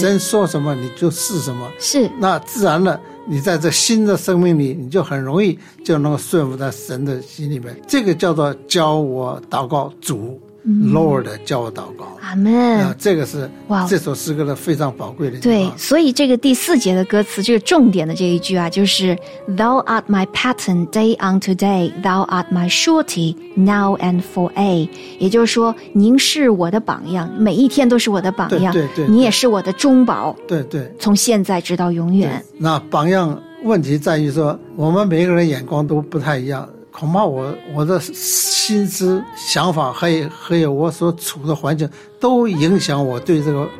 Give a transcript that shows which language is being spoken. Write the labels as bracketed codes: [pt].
[zh] 神说什么你就是什么，是那自然的。你在这新的生命里，你就很容易就能够顺服在神的心里面。这个叫做教我祷告主、Lord 教我祷告。阿们、这个是这首诗歌的非常宝贵的地方。对，所以这个第四节的歌词就是 [en] 重点的这一句啊，就是 Thou art my pattern day unto day, Thou art my surety now and for a。 [zh] 也就是说您是我的榜样，每一天都是我的榜样。对对对，你也是我的中保。对对，从现在直到永远。那榜样问题在于说我们每个人眼光都不太一样，恐怕我的心思想法还有我所处的环境都影响我对这个